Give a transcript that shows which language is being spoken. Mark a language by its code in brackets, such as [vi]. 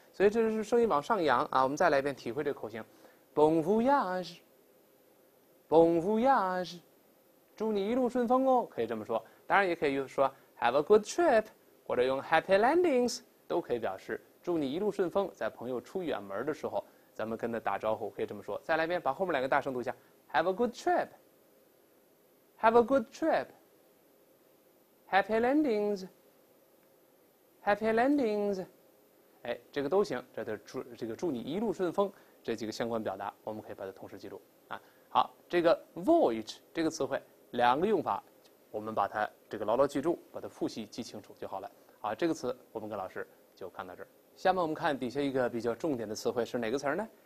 [zh] 所以这是声音往上扬啊。我们再来一遍，体会这个口型 ， [fr] bon voyage，bon voyage。 [zh] 祝你一路顺风哦，可以这么说。当然也可以说 [en] have a good trip， [zh] 或者用 [en] happy landings， [zh] 都可以表示祝你一路顺风。在朋友出远门的时候，咱们跟他打招呼可以这么说。再来一遍，把后面两个大声读一下 ： [en] have a good trip， have a good trip， happy landings， [zh] happy landings。哎，这个都行，这个祝你一路顺风这几个相关表达，我们可以把它同时记住啊。好，这个 voyage 这个词汇。两个用法，我们把它这个牢牢记住，把它复习记清楚就好了。好，这个词我们跟老师就看到这儿。下面我们看底下一个比较重点的词汇是哪个词呢？